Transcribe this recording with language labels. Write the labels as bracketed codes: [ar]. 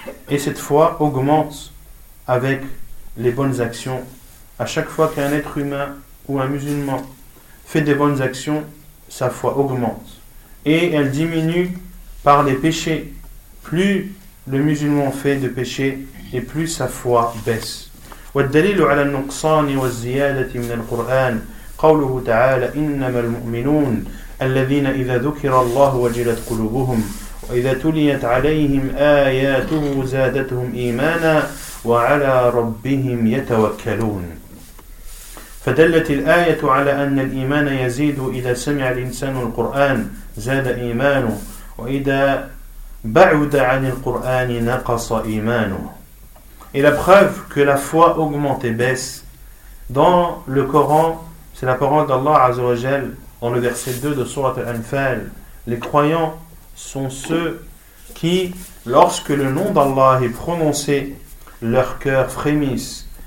[fr] Et cette foi augmente avec les bonnes actions. À chaque fois qu'un être humain ou un musulman fait des bonnes actions, sa foi augmente. Et elle diminue par les péchés. Plus le musulman fait de péchés, et plus sa foi baisse. [ar] والدليل على النقصان والزيادة من القرآن قوله تعالى إنما المؤمنون الذين إذا ذكر الله وجلت قلوبهم وإذا تليت عليهم آياته زادتهم إيمانا وعلى ربهم يتوكلون. فدلت الآية على أن الإيمان يزيد إذا سمع الإنسان القرآن زاد إيمانه وإذا بعد عن القرآن نقص إيمانه. [fr] Et la preuve que la foi augmente et baisse dans le Coran, c'est la parole d'Allah Azza wa Jal dans le verset 2 de Sourate Al-Anfal. Les croyants sont ceux qui, lorsque le nom d'Allah est prononcé, leur cœur frémisse.